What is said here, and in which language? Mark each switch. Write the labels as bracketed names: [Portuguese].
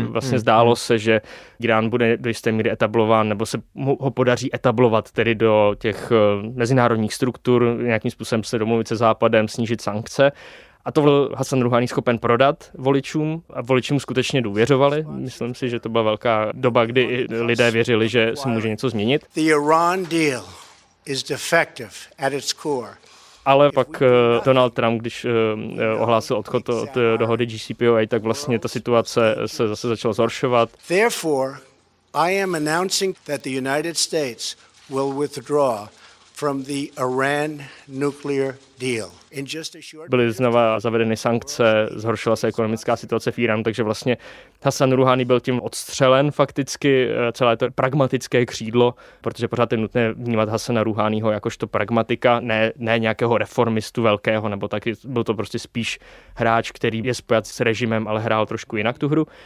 [Czech] Vlastně zdálo se, že Irán bude do jisté míry etablován, nebo se mu ho podaří etablovat tedy do těch mezinárodních struktur, nějakým způsobem se domluvit se Západem, snížit sankce. A to byl Hasan Ruhání schopen prodat voličům a voličům skutečně důvěřovali. Myslím si, že to byla velká doba, kdy lidé věřili, že se může něco změnit. [English] The Iran deal is defective at its core. [Czech] Ale pak Donald Trump, když ohlásil odchod od dohody JCPOA, tak vlastně ta situace se zase začala zhoršovat. [English] Therefore, I am announcing that the United States will withdraw from the Iran nuclear deal. [Czech] Byly znova zavedeny sankce, zhoršila se ekonomická situace v Iránu, takže vlastně Hasan Ruhani byl tím odstřelen fakticky, celé to pragmatické křídlo, protože pořád je nutné vnímat Hasana Ruhaniho jakožto pragmatika, ne nějakého reformistu velkého, nebo taky byl to prostě spíš hráč, který je spojat s režimem, ale hrál trošku jinak tu hru.